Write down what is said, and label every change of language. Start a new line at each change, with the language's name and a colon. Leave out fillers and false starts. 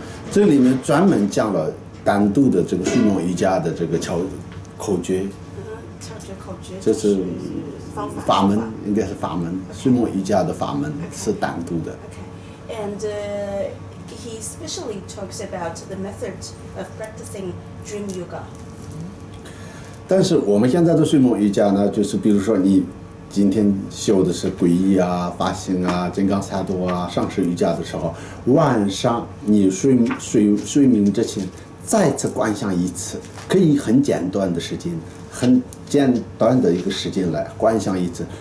Chinese: 这里面专门讲了单独的这个睡梦瑜伽的这个口诀。口诀。这是法门，应该是法门，睡梦瑜伽的法门是单独的。
English: Okay, and he specially talks about the method of practicing dream yoga.
Chinese: 但是我们现在的睡梦瑜伽呢，就是比如说你今天修的是皈依啊、发心啊、金刚萨埵啊、上师瑜伽的时候，晚上你睡眠之前再次观想一次，可以很简短的时间，很简短的一个时间来观想一次。